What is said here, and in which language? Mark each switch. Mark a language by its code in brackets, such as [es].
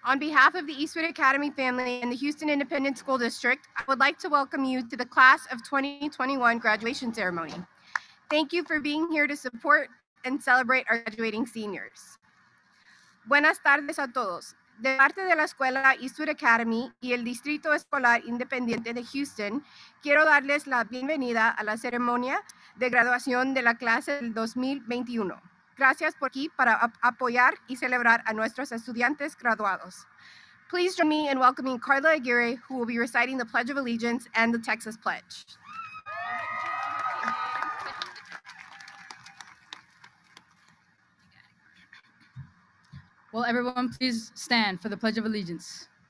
[en] On behalf of the Eastwood Academy family and the Houston Independent School District, I would like to welcome you to the Class of 2021 graduation ceremony. Thank you for being here to support and celebrate our graduating seniors. [es] Buenas tardes a todos. De parte de la Escuela Eastwood Academy y el Distrito Escolar Independiente de Houston, quiero darles la bienvenida a la ceremonia de graduación de la clase del 2021. Gracias por aquí para apoyar y celebrar a nuestros estudiantes graduados. [en] Please join me in welcoming Carla Aguirre, who will be reciting the Pledge of Allegiance and the Texas Pledge. Will everyone please stand for the Pledge of Allegiance?